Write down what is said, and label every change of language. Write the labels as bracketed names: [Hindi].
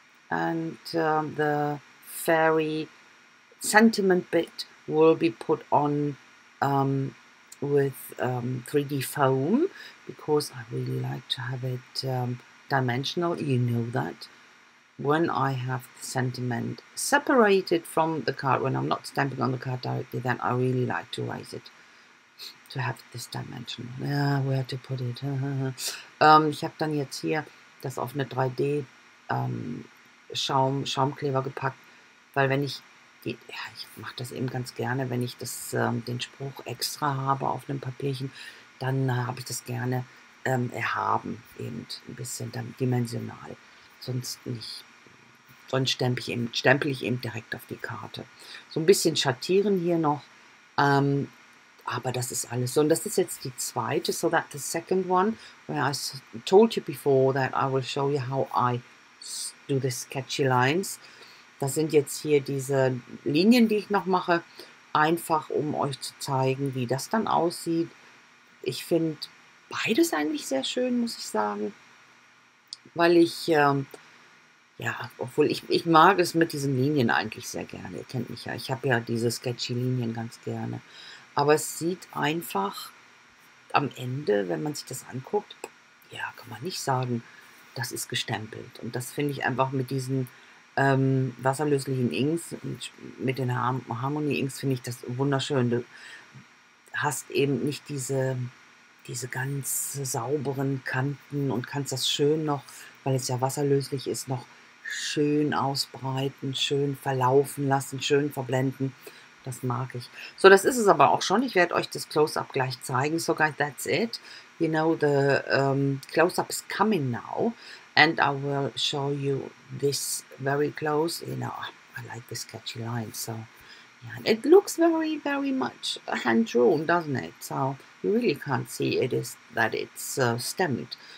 [English] And the fairy sentiment bit will be put on with 3D foam, because I really like to have it dimensional. You know that. When I have the sentiment separated from the card, when I'm not stamping on the card directly, then I really like to raise it, to have this dimensional. Yeah, where to put it? [German] ich habe dann jetzt hier das auf eine 3D Schaumkleber gepackt, weil wenn ich die, ja, ich mache das eben ganz gerne, wenn ich das den Spruch extra habe auf einem Papierchen, dann habe ich das gerne erhaben, eben ein bisschen dann dimensional. Sonst nicht. Sonst stempel ich eben direkt auf die Karte. So ein bisschen schattieren hier noch. Aber das ist alles so. Und das ist jetzt die zweite. So that the second one, where I told you before that I will show you how I do the sketchy lines. Das sind jetzt hier diese Linien, die ich noch mache. Einfach, um euch zu zeigen, wie das dann aussieht. Ich finde beides eigentlich sehr schön, muss ich sagen. Weil ich, ja, obwohl ich mag es mit diesen Linien eigentlich sehr gerne. Ihr kennt mich ja, ich habe ja diese sketchy Linien ganz gerne. Aber es sieht einfach am Ende, wenn man sich das anguckt, ja, kann man nicht sagen, das ist gestempelt. Und das finde ich einfach mit diesen wasserlöslichen Inks, mit den Harmony Inks, finde ich das wunderschön. Du hast eben nicht diese ganz sauberen Kanten und kannst das schön noch, weil es ja wasserlöslich ist, noch schön ausbreiten, schön verlaufen lassen, schön verblenden. Das mag ich. So, das ist es aber auch schon. Ich werde euch das Close-Up gleich zeigen. [English] So, guys, that's it. You know, the Close-Up is coming now. And I will show you this very close. You know, I like the sketchy lines, so. Yeah, it looks very, very much hand-drawn, doesn't it? So you really can't see it is that it's stamped.